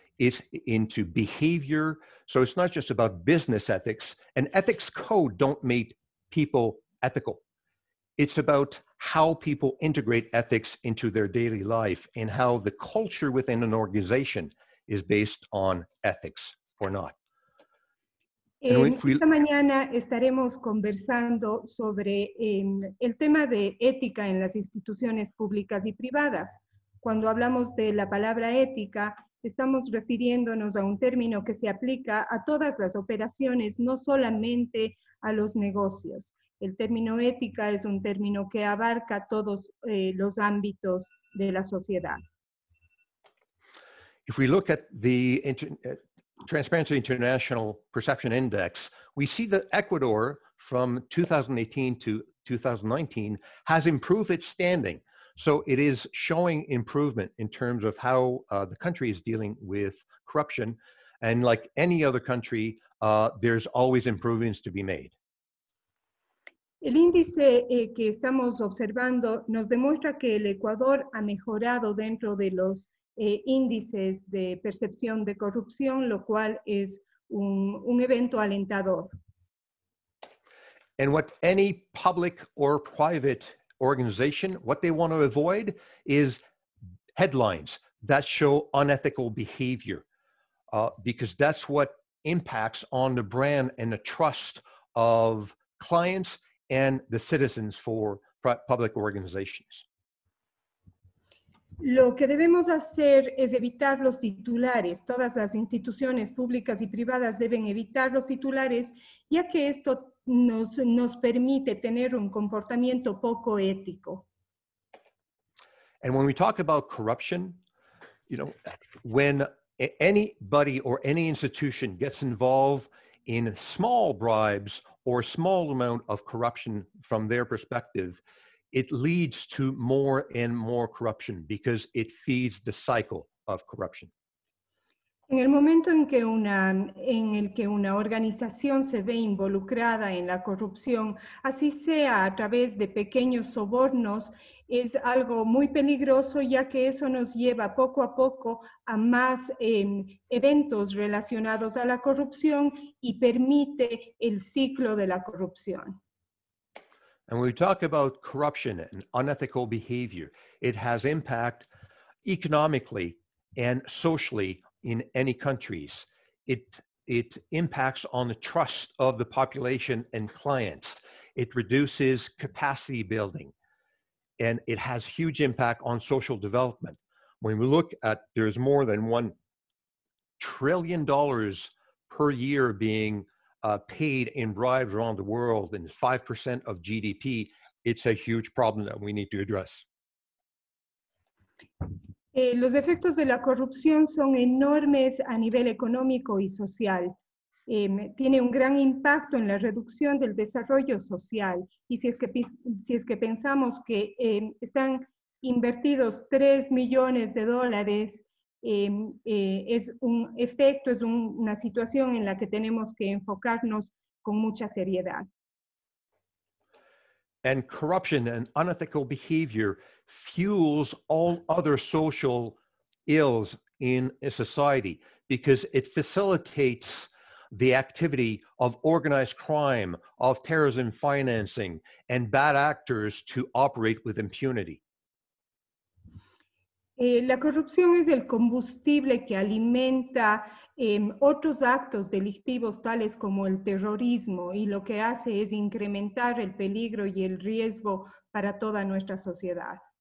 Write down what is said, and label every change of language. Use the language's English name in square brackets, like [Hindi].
[English] It's into behavior. So it's not just about business ethics. An ethics code don't make people ethical. It's about how people integrate ethics into their daily life and how the culture within an organization is based on ethics or not. [Spanish] Esta mañana estaremos conversando sobre el tema de ética en las instituciones públicas y privadas. Cuando hablamos de la palabra ética, estamos refiriéndonos a un término que se aplica a todas las operaciones, no solamente a los negocios. El término ética es un término que abarca todos los ámbitos de la sociedad. [English] If we look at the Transparency International Perception Index, we see that Ecuador from 2018 to 2019 has improved its standing. So it is showing improvement in terms of how the country is dealing with corruption. And like any other country, there's always improvements to be made. [Spanish] El índice que estamos observando nos demuestra que el Ecuador ha mejorado dentro de los índices de percepción de corrupción, lo cual es un evento alentador. [English] And what any public or private organization, what they want to avoid is headlines that show unethical behavior, because that's what impacts on the brand and the trust of clients and the citizens for public organizations. [Spanish] Lo que debemos hacer es evitar los titulares. Todas las instituciones públicas y privadas deben evitar los titulares, ya que esto nos permite tener un comportamiento poco ético. [English] And when we talk about corruption, you know, when anybody or any institution gets involved in small bribes or small amount of corruption from their perspective, it leads to more and more corruption because it feeds the cycle of corruption. [Spanish] En el momento en el que una organización se ve involucrada en la corrupción, así sea a través de pequeños sobornos, es algo muy peligroso, ya que eso nos lleva poco a poco a más eventos relacionados a la corrupción y permite el ciclo de la corrupción. [English] And when we talk about corruption and unethical behavior, it has impact economically and socially in any countries. It impacts on the trust of the population and clients. It reduces capacity building, and it has huge impact on social development. When we look at, there's more than $1 trillion per year being paid in bribes around the world, and 5% of GDP, it's a huge problem that we need to address. [Spanish] Los efectos de la corrupción son enormes a nivel económico y social. Tiene un gran impacto en la reducción del desarrollo social. Y si es que pensamos que están invertidos $3 millones, es una situación en la que tenemos que enfocarnos con mucha seriedad. [English] And corruption and unethical behavior fuels all other social ills in a society because it facilitates the activity of organized crime, of terrorism financing, and bad actors to operate with impunity. [Spanish] La corrupción es el combustible que alimenta otros actos delictivos tales como el terrorismo, y lo que hace es incrementar el peligro y el riesgo para toda nuestra sociedad.